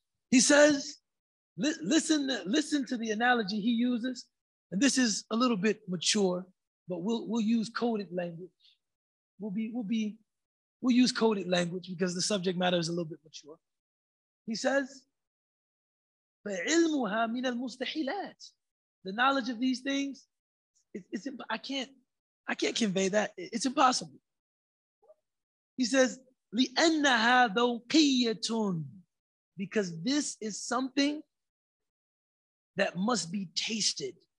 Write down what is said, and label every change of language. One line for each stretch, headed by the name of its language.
English: He says, listen to the analogy he uses. And this is a little bit mature, but we'll use coded language. We'll use coded language because the subject matter is a little bit mature.
Arabic: He says, فَعِلْمُهَا مِنَ الْمُسْتَحِيلَاتِ.
English: The knowledge of these things, I can't convey that. It's impossible.
Arabic: He says, لِأَنَّهَا ذَوْقِيَّةٌ.
English: Because this is something that must be tasted.